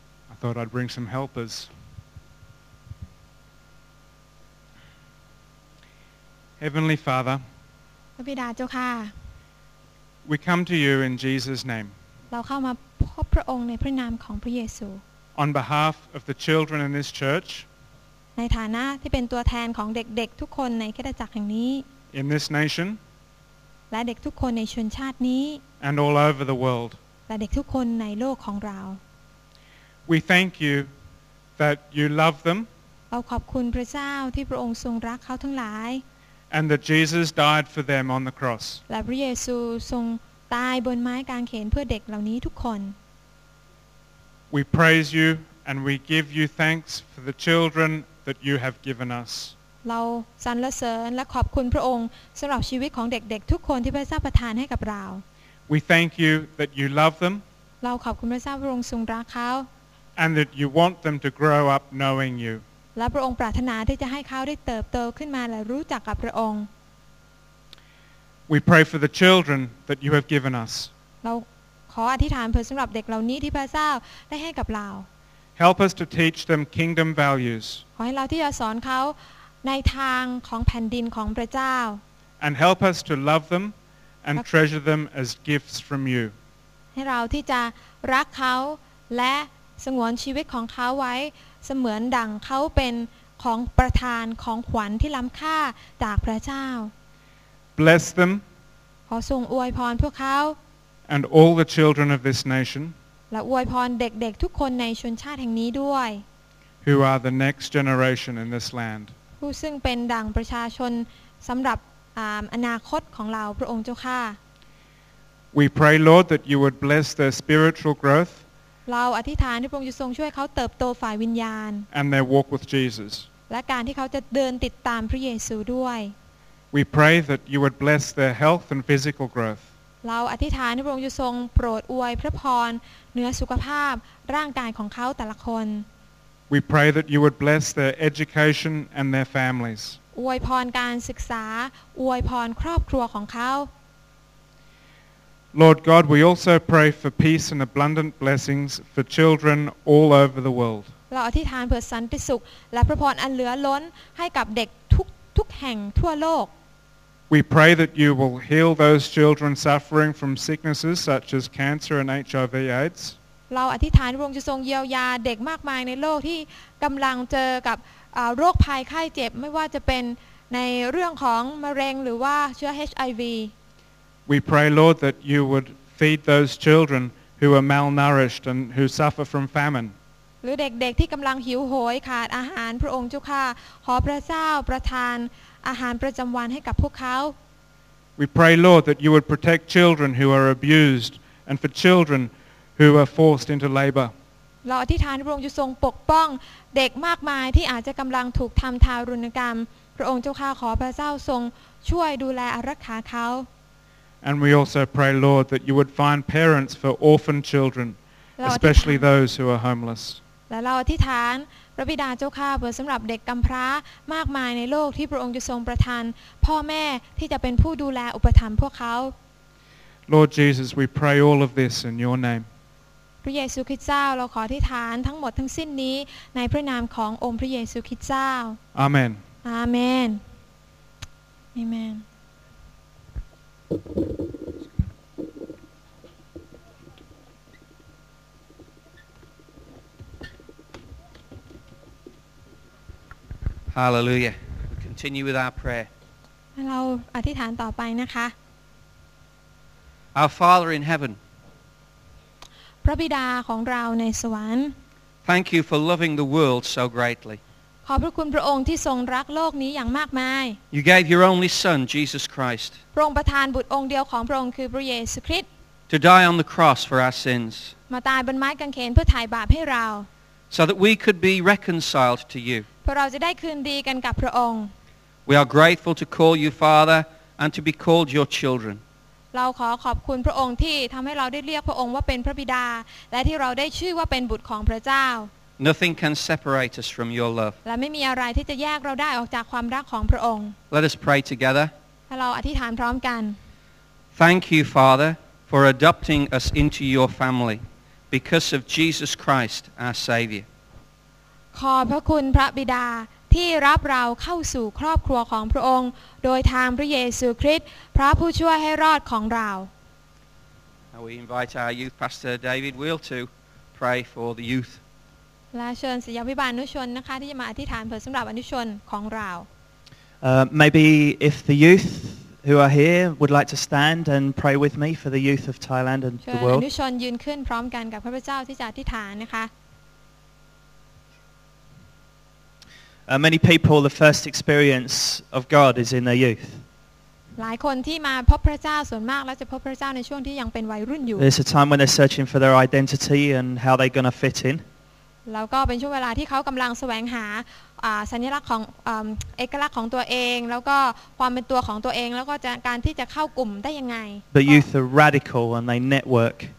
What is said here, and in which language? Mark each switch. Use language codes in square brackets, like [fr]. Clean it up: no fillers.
[en] I thought I'd bring some helpers. Heavenly Father, [th] บิดาเจ้าค่ะ [en] We come to you in Jesus' name. [th] เราเข้ามาพบพระองค์ในพระนามของพระเยซู [en] On behalf of the children in this church. [th] ในฐานะที่เป็นตัวแทนของเด็กๆทุกคนในคริสตจักรแห่งนี้ [en] In this nation. [th] และเด็กทุกคนในชนชาตินี้ [en] And all over the world. [th] และเด็กทุกคนในโลกของเรา [en] We thank you that you love them. [th] เราขอบคุณพระเจ้าที่พระองค์ทรงรักเขาทั้งหลาย [en] And that Jesus died for them on the cross. [th] และพระเยซูทรงตายบนไม้กางเขนเพื่อเด็กเหล่านี้ทุกคน [en] We praise you and we give you thanks for the children that you have given us. [th] เราสรรเสริญและขอบคุณพระองค์สำหรับชีวิตของเด็กๆทุกคนที่พระเจ้าประทานให้กับเรา [en] We thank you that you love them. [th] เราขอบคุณพระเจ้าพระองค์ทรงรักเขา [en] And that you want them to grow up knowing you. [th] และพระองค์ปรารถนาที่จะให้เขาได้เติบโตขึ้นมาและรู้จักกับพระองค์ [en] We pray for the children that you have given us. [th] เราขออธิษฐานเพื่อสำหรับเด็กเหล่านี้ที่พระเจ้าได้ให้กับเรา [en] Help us to teach them kingdom values. [th] ขอให้เราที่จะสอนเขาในทางของแผ่นดินของพระเจ้า [en] And help us to love them and treasure them as gifts from you. [th] ให้เราที่จะรักเขาและสงวนชีวิตของเขาไว้เสมือนดั่งเขาเป็นของประทานของขวัญที่ล้ำค่าจากพระเจ้า [en] Bless them [th] ขอทรงอวยพรพวกเขา [en] And all the children of this nation [th] และอวยพรเด็กๆทุกคนในชนชาติแห่งนี้ด้วย [en] Who are the next generation in this land [th] ผู้ซึ่งเป็นดั่งประชาชนสำหรับอนาคตของเราพระองค์เจ้าค่ะ [en] We pray Lord that you would bless their spiritual growth [th] เราอธิษฐานที่พระองค์จะทรงช่วยเขาเติบโตฝ่ายวิญญาณ [en] And they walk with Jesus [th] และการที่เขาจะเดินติดตามพระเยซูด้วย [en] We pray that you would bless their health and physical growth [th] เราอธิษฐานที่พระองค์จะทรงโปรดอวยพระพรเนื้อสุขภาพร่างกายของเขาแต่ละคน [en] We pray that you would bless their education and their families [th] อวยพรการศึกษาอวยพรครอบครัวของเขา [en] Lord God, we also pray for peace and abundant blessings for children all over the world. [th] เราอธิษฐานเพื่อสันติสุขและพระพรอันเหลือล้นให้กับเด็กทุกแห่งทั่วโลก [en] We pray that you will heal those children suffering from sicknesses such as cancer and HIV AIDS. [th] เราอธิษฐานพระองค์จะทรงเยียวยาเด็กมากมายในโลกที่กำลังเจอกับโรคภัยไข้เจ็บไม่ว่าจะเป็นในเรื่องของมะเร็งหรือว่าเชื้อ HIV [en] We pray, Lord, that you would feed those children who are malnourished and who suffer from famine. [th] หรือเด็กๆที่กำลังหิวโหยขาดอาหารพระองค์เจ้าค่ะขอพระเจ้าประทานอาหารประจำวันให้กับพวกเขา [en] We pray, Lord, that you would protect children who are abused and for children who are forced into labor. [th] เราอธิษฐานพระองค์จะทรงปกป้องเด็กมากมายที่อาจจะกำลังถูกทำทารุณกรรมพระองค์เจ้าค่ะขอพระเจ้าทรงช่วยดูแลรักษาเขา [en] And we also pray, Lord, that you would find parents for orphan children, especially those who are homeless. [th] และเราอธิษฐานพระบิดาเจ้าค่ะเพื่อสำหรับเด็กกำพร้ามากมายในโลกที่พระองค์จะทรงประทานพ่อแม่ที่จะเป็นผู้ดูแลอุปถัมภ์พวกเขา [en] Lord Jesus, we pray all of this in your name. [th] พระเยซูคริสต์เจ้าเราขออธิษฐานทั้งหมดทั้งสิ้นนี้ในพระนามขององค์พระเยซูคริสต์เจ้า [en] Amen. Amen. Amen. Hallelujah. We continue with our prayer. [th] เราอธิษฐานต่อไปนะคะ [en] Our Father in heaven. [th] พระบิดาของเราในสวรรค์ [en] Thank you for loving the world so greatly. [th] ขอบพระคุณพระองค์ที่ทรงรักโลกนี้อย่างมากมาย [en] You gave your only son Jesus Christ. [th] พระองค์ประทานบุตรองค์เดียวของพระองค์คือพระเยซูคริสต์ [en] To die on the cross for our sins. [th] มาตายบนไม้กางเขนเพื่อไถ่บาปให้เรา [en] So that we could be reconciled to you. [th] เพื่อเราจะได้คืนดีกันกับพระองค์ [en] We are grateful to call you Father and to be called your children. [th] เราขอขอบคุณพระองค์ที่ทําให้เราได้เรียกพระองค์ว่าเป็นพระบิดาและที่เราได้ชื่อว่าเป็นบุตรของพระเจ้า [en] Nothing can separate us from your love. [th] และไม่มีอะไรที่จะแยกเราได้ออกจากความรักของพระองค์ [en] Let us pray together. [th] ให้เราอธิษฐานพร้อมกัน [en] Thank you Father for adopting us into your family because of Jesus Christ our savior. [th] ขอบพระคุณพระบิดาที่รับเราเข้าสู่ครอบครัวของพระองค์โดยทางพระเยซูคริสต์พระผู้ช่วยให้รอดของเรา [en] Now we invite our youth pastor David Wheel to pray for the youth [th] และเชิญศิษยาภิบาลอนุชนนะคะที่จะมาอธิษฐานเผื่อสำหรับอนุชนของเรา [en] Maybe if the youth who are here would like to stand and pray with me for the youth of Thailand and the world [th] อนุชนยืนขึ้นพร้อมกันกับพระเจ้าที่จะอธิษฐานนะคะ [en] Many people, the first experience of God is in their youth. [th] หลายคนที่มาพบพระเจ้าส่วนมากแล้วจะพบพระเจ้าในช่วงที่ยังเป็นวัยรุ่นอยู่ [en] It's a time when they're searching for their identity and how they're going to fit in. [th] แล้วก็เป็นช่วงเวลาที่เขากำลังแสวงหาสัญลักษณ์ของเอกลักษณ์ของตัวเองแล้วก็ความเป็นตัวของตัวเองแล้วก็การที่จะเข้ากลุ่มได้ยังไง [en] But youth are radical and they network.